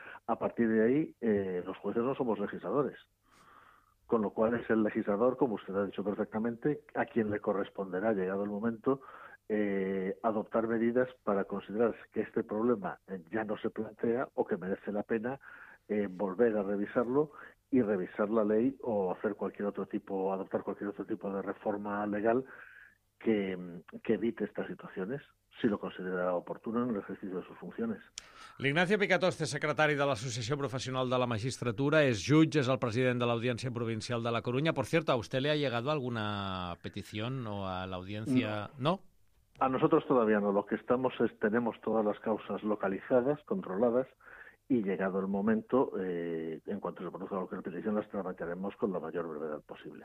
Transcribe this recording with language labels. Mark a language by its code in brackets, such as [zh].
[es] A partir de ahí, los jueces no somos legisladores, con lo cual es el legislador, como usted ha dicho perfectamente, a quien le corresponderá, llegado el momento, adoptar medidas para considerar que este problema ya no se plantea o que merece la pena volver a revisarlo y revisar la ley o hacer cualquier otro tipo, adoptar cualquier otro tipo de reforma legal que evite estas situaciones, si lo considera oportuno en el ejercicio de sus funciones. [ca] L'Ignacio Picatoste, secretari de l'Associació Professional de la Magistratura, és jutge, és el president de l'Audiència Provincial de la Coruña. [es] Por cierto, ¿a usted le ha llegado alguna petición o a la audiencia? No. A nosotros todavía no. Lo que estamos es, tenemos todas las causas localizadas, controladas, y llegado el momento, en cuanto se produzca cualquier petición, las tramitaremos con la mayor brevedad posible.